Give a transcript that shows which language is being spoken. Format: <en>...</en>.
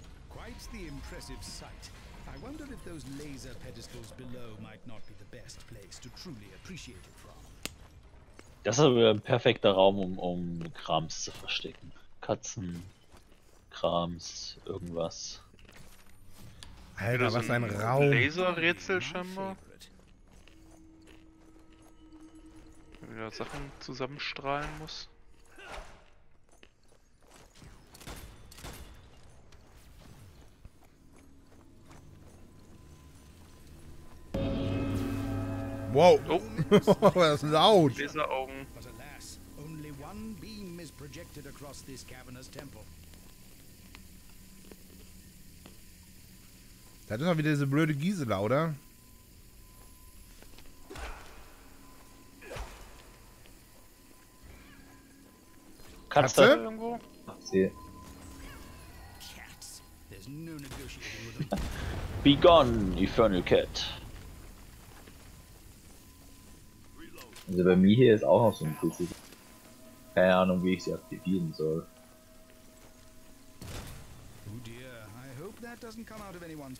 <en>Quite the impressive sight. I wonder if those laser pedestals below might not be the best place to truly appreciate it from.</en> <de>Das ist aber ein perfekter Raum, um Krams zu verstecken. Katzen, Krams, irgendwas. Alter, was ein Raum. Laserrätsel scheinbar. Wenn wir Sachen zusammenstrahlen muss. Wow. Oh, das ist laut. Laseraugen.</de> <en>But alas, only one beam is projected across this cavernous temple.</en> <de>Das ist doch wieder diese blöde Gisela, oder? Kannst du irgendwo?</de> <en>Cats. There's no negotiating with them. Be gone, infernal cat.</en> <de>Also bei mir hier ist auch noch so ein bisschen. Keine Ahnung, wie ich sie aktivieren soll.</de> <en>Oh dear, I hope that doesn't come out of anyone's</en>